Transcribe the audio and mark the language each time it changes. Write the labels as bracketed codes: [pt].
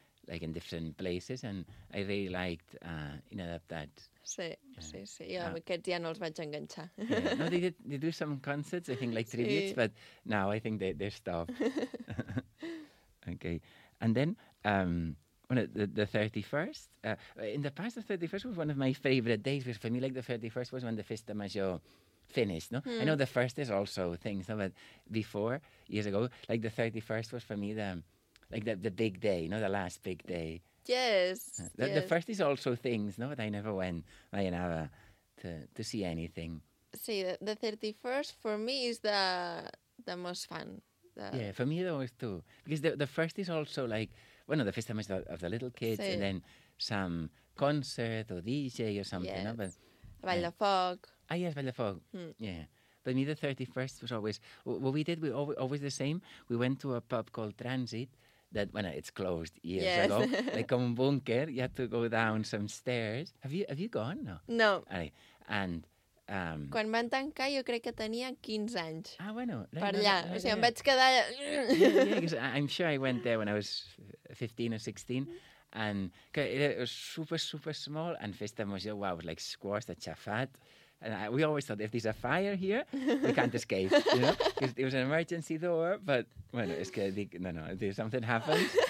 [en] Like in different places, and I really liked Inadaptats. [ca] Sí. Jo aquests ja no els vaig enganxar. [en] Yeah. No, they do some concerts, I think, like tributes, but now I think they stop. Okay. And then, the 31st. In the past, the 31st was one of my favorite days, because for me, like, the 31st was when the Festa Major finished, no? Mm. I know the 1st is also things, no? But before, years ago, like, the 31st was for me the... Like the big day, no? The last big day. Yes. The first is also things, no? But I never went, I never to see anything. Sí, the 31st for me is the most fun. Yeah, for me it was too. Because the first is also like, bueno, the first time is of the little kids, sí. And then some concert or DJ or something, yes. No? But Vall de Foc. Ah, yes, Vall de Foc, yeah. But me the 31st was always, what we did, we always the same. We went to a pub called Transit. That when it's closed years ago, like a bunker, you have to go down some stairs. Have you gone? No. No. And [ca] Quan van tancar, jo crec que tenia 15 anys. Ah, bueno. Per allà. No, o sigui, em vaig quedar... [en] I'm sure I went there when I was 15 or 16. And, que era super, super small. And Festa Major, wow, was like squashed, aixafat. And we always thought, if there's a fire here, we can't escape, you know? Because it was an emergency door, but, bueno, es que, no, no, if something happens.